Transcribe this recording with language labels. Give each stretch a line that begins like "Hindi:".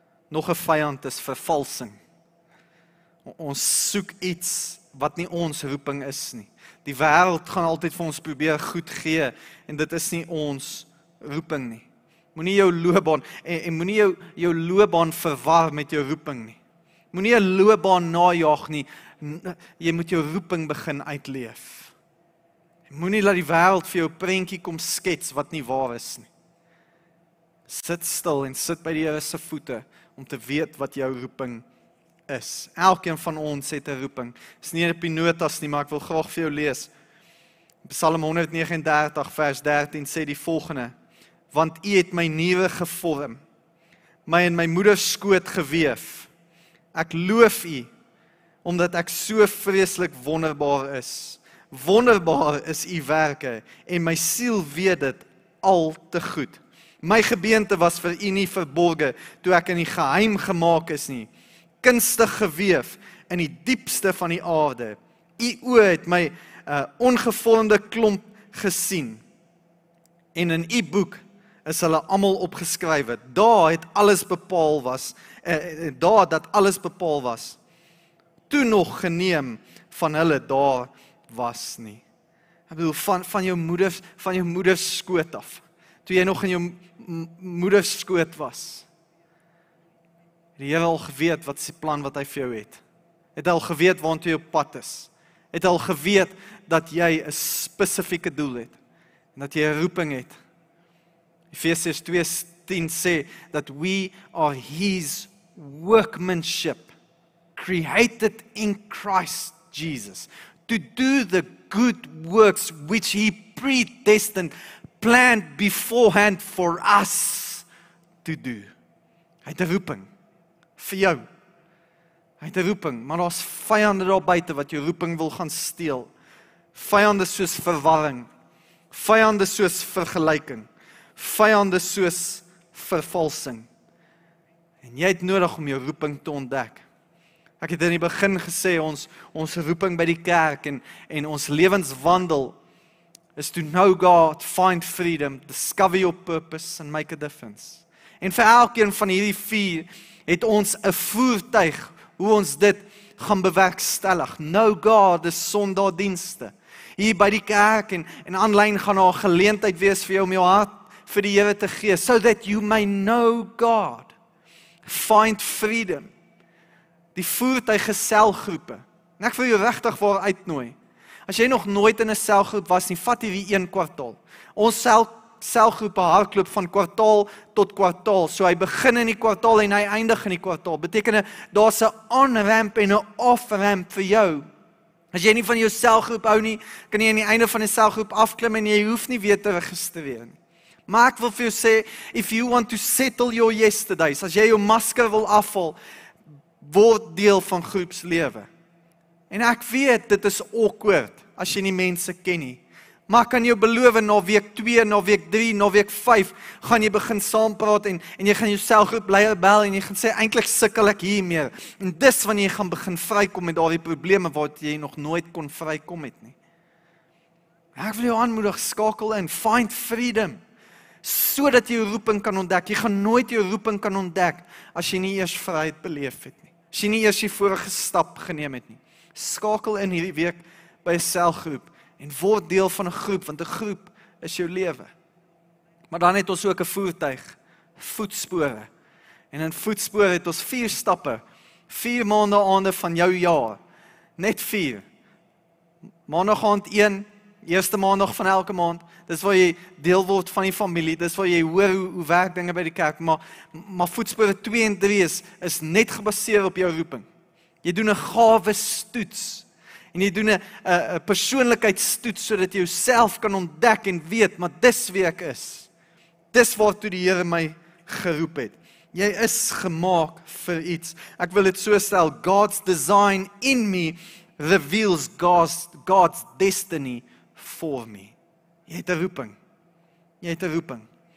Afrikaans: Nog 'n vyand is vervalsing. Ons soek iets wat nie ons roeping is nie. Die wêreld gaan altyd vir ons probeer goed gee en dit is nie ons roeping nie. Moenie jou loopbaan verwar met jou roeping nie. Moenie 'n loopbaan najag nie. Jy moet jou roeping begin uitleef. Moenie laat die wêreld vir jou prentjie kom skets wat nie waar is nie. Sit stil en sit by die Here se voete om te weet wat jou roeping is. Elkeen van ons het 'n roeping. Dis nie op die notas nie, maar ek wil graag vir jou lees. Psalm 139 vers 13 sê die volgende: Want U het my niere gevorm, my in my moeder skoot geweef. Ek loof U omdat ek so vreeslik wonderbaar is. Wonderbaar is U werke en my siel weet dit al te goed. My gebeente was vir U nie verborge toe ek in die geheim gemaak is nie. Kunstig geweef in die diepste van die aarde. U oë het my ongevormde klomp gesien. En in U boek is hulle almal opgeskrywe. Daar het alles bepaal was, daar dat alles bepaal was. Toe nog geneem van hulle daar was nie. Ek bedoel van jou moeder skoot af. Toe jy nog in jou moeder skoot was. Die Here al geweet wat se plan wat hy vir jou het. Het al geweet waantoe jou pad is. Het al geweet dat jy 'n spesifieke doel het en dat jy 'n roeping het. Efesiërs 2:10 sê dat
English: we are his workmanship created in Christ Jesus to do the good works which he predestined planned beforehand for us to do.
Afrikaans: Hy het 'n roeping vir jou. Hy het 'n roeping, maar daar's vyande daar buite wat jou roeping wil gaan steel. Vyande soos verwarring, vyande soos vergelyking, vyande soos vervalsing. En jy het nodig om jou roeping te ontdek. Ek het in die begin gesê ons roeping by die kerk en ons lewenswandel is
English: to know God, find freedom, discover your purpose and make a difference.
Afrikaans: En vir elkeen van hierdie vier het ons 'n voertuig hoe ons dit gaan bewerkstellig. Know God is sondagdienste. Hier by die kerk en aanlyn gaan daar 'n geleentheid wees vir jou om jou hart vir die Here te gee,
English: so that you may know God. Find freedom.
Afrikaans: Die voertuig geselgroepe. En ek wil jou regtig waar uitnooi. As jy nog nooit in 'n selgroep was nie, vat hierdie een kwartaal. Ons selgroepe hardloop van kwartaal tot kwartaal. So hy begin in die kwartaal en hy eindig in die kwartaal. Beteken daar's 'n on-ramp en 'n off-ramp vir jou. As jy nie van jou selgroep hou nie, kan jy aan die einde van 'n selgroep afklim en jy hoef nie weer te registreer nie. Maar ek wil vir jou sê,
English: if you want to settle your yesterdays,
Afrikaans: as jy jou masker wil afval, word deel van groepslewe. En ek weet, dit is awkward, as jy nie mense ken nie. Maar ek kan jou beloof, na week 2, na week 3, na week 5, gaan jy begin saampraat, en jy gaan jou selgroep leier bel, en jy gaan sê, eintlik sukkel ek hiermee. En dis wanneer jy gaan begin vrykom met daardie probleme, wat jy nog nooit kon vrykom het nie. Ek wil jou aanmoedig, skakel in,
English: find freedom,
Afrikaans: so dat jy jou roeping kan ontdek. Jy gaan nooit jou roeping kan ontdek, as jy nie eers vryheid beleef het nie. As jy nie eers die vorige stap geneem het nie. Skakel in hierdie week by 'n selgroep en word deel van 'n groep, want 'n groep is jou lewe. Maar dan het ons ook 'n voertuig, voetspore. En in voetspore het ons 4 stappe, 4 maande aande van jou jaar. Net 4. Maandag aand 1, eerste maandag van elke maand. Dis waar jy deel word van die familie, dis waar jy hoor hoe werk dinge by die kerk. Maar voetspore 2 en 3 is net gebaseer op jou roeping. Jy doen 'n gawestoets en jy doen 'n persoonlikheidstoets sodat jy jouself kan ontdek en weet maar dis wie ek is. Dis waartoe die Here my geroep het. Jy is gemaak vir iets. Ek wil dit so stel,
English: God's design in me reveals God's destiny for me.
Afrikaans: Jy het 'n roeping. Jy het 'n roeping.